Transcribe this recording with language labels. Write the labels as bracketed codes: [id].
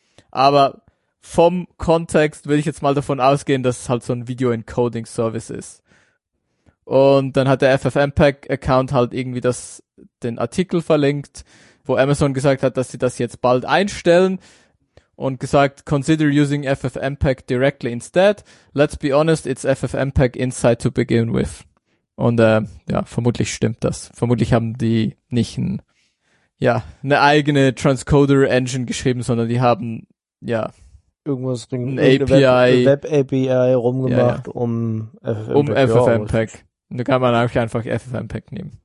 [de] Aber vom Kontext würde ich jetzt mal davon ausgehen, dass es halt so ein Video-Encoding-Service ist. Und dann hat der FFmpeg-Account halt irgendwie den Artikel verlinkt, wo Amazon gesagt hat, dass sie das jetzt bald einstellen und gesagt, [en] consider using FFmpeg directly instead. Let's be honest, it's FFmpeg inside to begin with. [de] Und ja, vermutlich stimmt das. Vermutlich haben die nicht eine eigene Transcoder-Engine geschrieben, sondern die haben, ja, irgendwas drin, eine Web-API rumgemacht, um FFmpeg. Und da kann man eigentlich einfach FFmpeg nehmen.